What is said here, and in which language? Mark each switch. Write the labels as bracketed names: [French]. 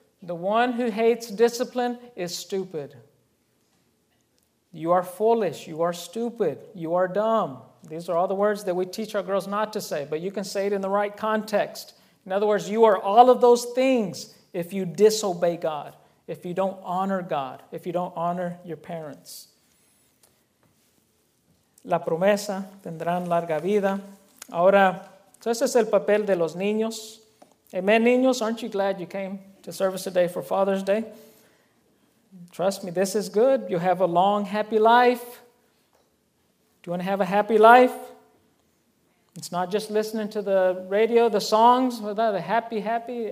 [English] The one who hates discipline is stupid. You are foolish. You are stupid. You are dumb. These are all the words that we teach our girls not to say, but you can say it in the right context. In other words, you are all of those things if you disobey God, if you don't honor God, if you don't honor your parents. [Spanish] La promesa, tendrán larga vida. Ahora, ese es el papel de los niños. [English] Amen, niños, aren't you glad you came to service today for Father's Day? Trust me, this is good. You have a long, happy life. Do you want to have a happy life? It's not just listening to the radio, the songs. Without a happy, happy.